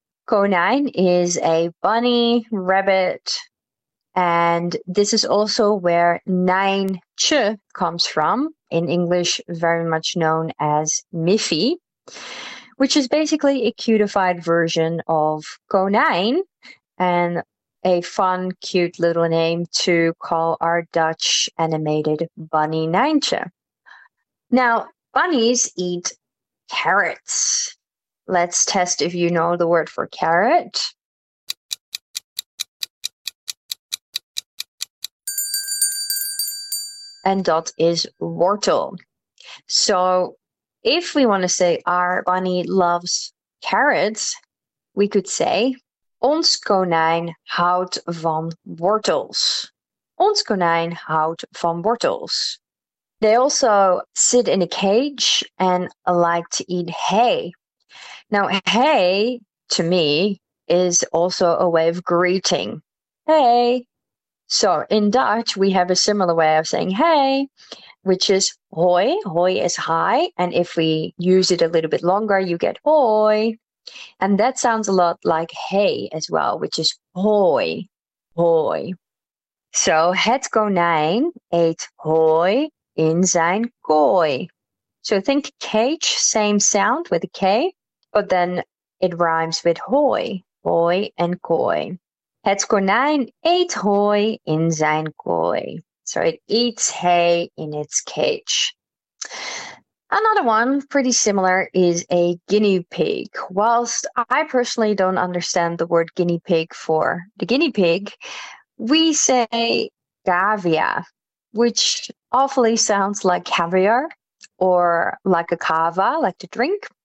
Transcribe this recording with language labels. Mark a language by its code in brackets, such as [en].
[en] Konijn is a bunny, rabbit, and this is also where nijntje comes from, in English very much known as Miffy, which is basically a cutified version of konijn, and a fun, cute little name to call our Dutch animated bunny nijntje. Now, bunnies eat carrots. Let's test if you know the word for carrot. And dat is wortel. So if we want to say our bunny loves carrots, we could say ons konijn houdt van wortels. [nl] Ons konijn houdt van wortels. [en] They also sit in a cage and like to eat hay. Now, hey, to me, is also a way of greeting. Hey. So in Dutch, we have a similar way of saying hey, which is hoi. Hoi is hi. And if we use it a little bit longer, you get hoi. And that sounds a lot like hey as well, which is hoi. Hoi. [nl] So het konijn eet hoi in zijn kooi. [en] So think cage, same sound with a K. But then it rhymes with hoi, hoi and kooi. [nl] Het konijn eet hooi in zijn kooi. [en] So it eats hay in its cage. Another one, pretty similar, is a guinea pig. Whilst I personally don't understand the word guinea pig for the guinea pig, we say gavia, which awfully sounds like caviar or like a cava, like to drink.